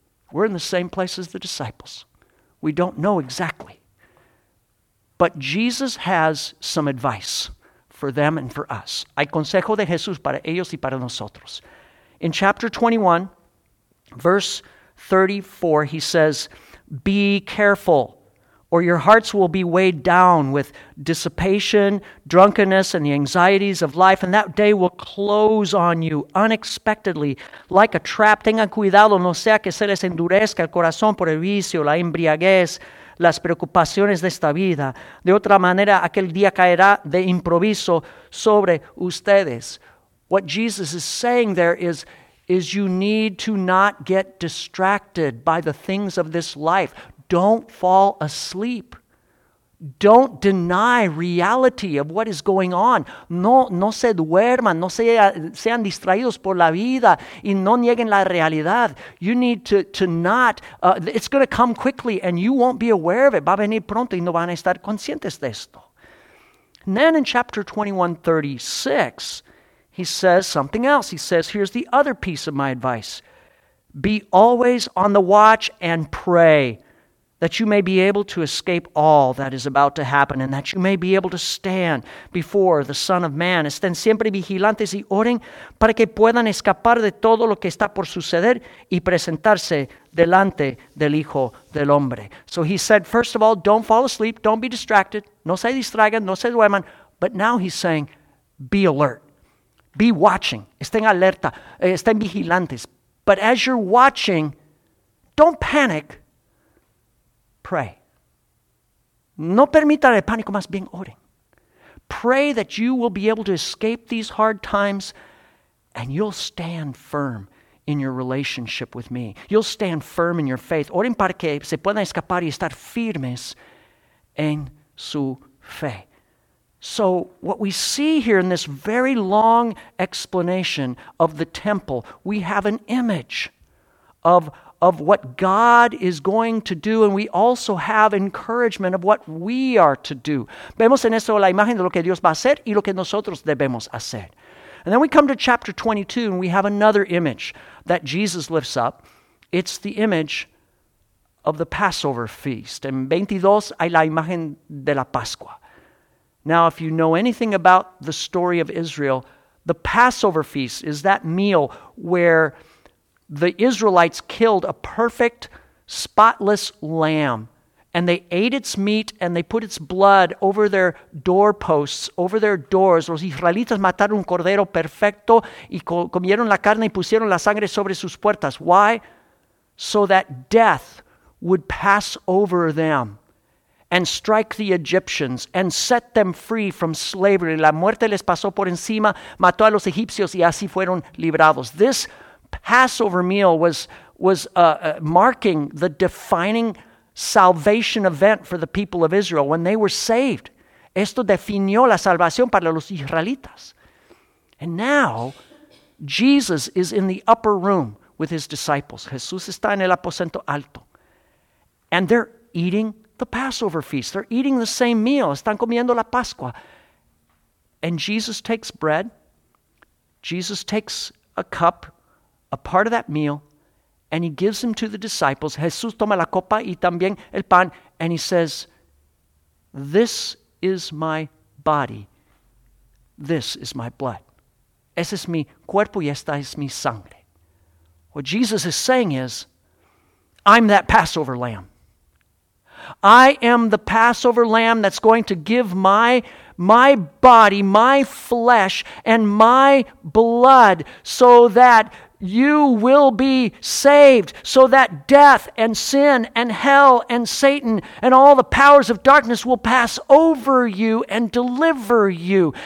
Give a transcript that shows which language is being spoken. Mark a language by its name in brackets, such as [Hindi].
[English] We're in the same place as the disciples. We don't know exactly, but Jesus has some advice for them and for us. [Spanish] Hay consejo de Jesús para ellos y para nosotros. [English] In chapter 21, verse 34, he says, "Be careful, or your hearts will be weighed down with dissipation, drunkenness, and the anxieties of life, and that day will close on you unexpectedly, like a trap. [Spanish] Tengan cuidado, no sea que se les endurezca el corazón por el vicio, la embriaguez, las preocupaciones de esta vida. De otra manera, aquel día caerá de improviso sobre ustedes." [English] What Jesus is saying there is you need to not get distracted by the things of this life. Don't fall asleep. Don't deny reality of what is going on. [Spanish] No se duerman, no sean distraídos por la vida y no nieguen la realidad. [English] You need to not, it's going to come quickly and you won't be aware of it. [Spanish] Va a venir pronto y no van a estar conscientes de esto. [English] And then in chapter 21:36, he says something else. He says, here's the other piece of my advice. Be always on the watch and pray, that you may be able to escape all that is about to happen, and that you may be able to stand before the Son of Man. [Spanish] Estén siempre vigilantes y oren para que puedan escapar de todo lo que está por suceder y presentarse delante del Hijo del Hombre. [English] So he said, first of all, don't fall asleep, don't be distracted, [Spanish] no se distraigan, no se duerman. [English] But now he's saying, be alert, be watching, [Spanish] estén alerta, estén vigilantes. [English] But as you're watching, don't panic. Pray. [Spanish] No permitan el pánico, más bien oren. [English] Pray that you will be able to escape these hard times and you'll stand firm in your relationship with me. You'll stand firm in your faith. [Spanish] Oren para que se puedan escapar y estar firmes en su fe. [English] So what we see here in this very long explanation of the temple, we have an image of what God is going to do, and we also have encouragement of what we are to do. [Spanish] Vemos en eso la imagen de lo que Dios va a hacer y lo que nosotros debemos hacer. [English] And then we come to chapter 22, and we have another image that Jesus lifts up. It's the image of the Passover feast. [Spanish] En 22 hay la imagen de la Pascua. [English] Now, if you know anything about the story of Israel, the Passover feast is that meal where the Israelites killed a perfect, spotless lamb, and they ate its meat, and they put its blood over their doorposts, over their doors. [Spanish] Los israelitas mataron un cordero perfecto y comieron la carne y pusieron la sangre sobre sus puertas. [English] Why? So that death would pass over them and strike the Egyptians and set them free from slavery. La muerte les pasó por encima, mató a los egipcios y así fueron librados. This Passover meal was marking the defining salvation event for the people of Israel when they were saved. [Spanish] Esto definió la salvación para los israelitas. [English] And now, Jesus is in the upper room with his disciples. [Spanish] Jesús está en el aposento alto. [English] And they're eating the Passover feast. They're eating the same meal. [Spanish] Están comiendo la Pascua. [English] And Jesus takes bread. Jesus takes a cup, a part of that meal, and he gives them to the disciples. [Spanish] Jesús toma la copa y también el pan, [English] and he says, "This is my body. This is my blood. [Spanish] Ese es mi cuerpo y esta es mi sangre." [English] What Jesus is saying is, I'm that Passover lamb. I am the Passover lamb that's going to give my body, my flesh, and my blood so that you will be saved, so that death and sin and hell and Satan and all the powers of darkness will pass over you and deliver you.